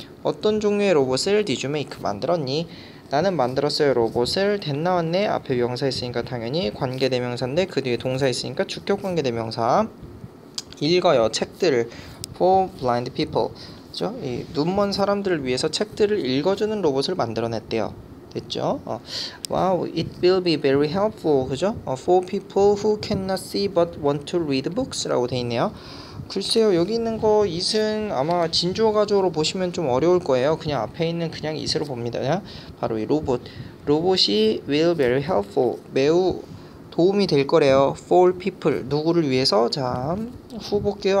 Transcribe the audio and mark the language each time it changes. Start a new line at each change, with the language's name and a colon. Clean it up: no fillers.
Korean: 어떤 종류의 로봇을
English: did you make?
Korean: 만들었니? 나는 만들었어요. 로봇을. 됐나 왔네. 앞에 명사 있으니까 당연히 관계대명사인데 그 뒤에 동사 있으니까 주격관계대명사. 읽어요. 책들을.
English: For blind people.
Korean: 그죠? 이 눈먼 사람들을 위해서 책들을 읽어주는 로봇을 만들어냈대요.
English: 됐죠? Wow, it will be very helpful. 그죠? For people who cannot see but want to read books 라고 돼 있네요.
Korean: 글쎄요, 여기 있는 거 이슨 아마 진주어가조로 보시면 좀 어려울 거예요. 그냥 앞에 있는 그냥 이슬로 봅니다. 바로 이 로봇. 로봇이
English: will very helpful.
Korean: 매우 도움이 될 거래요. For people. 누구를 위해서? 자, 후 볼게요.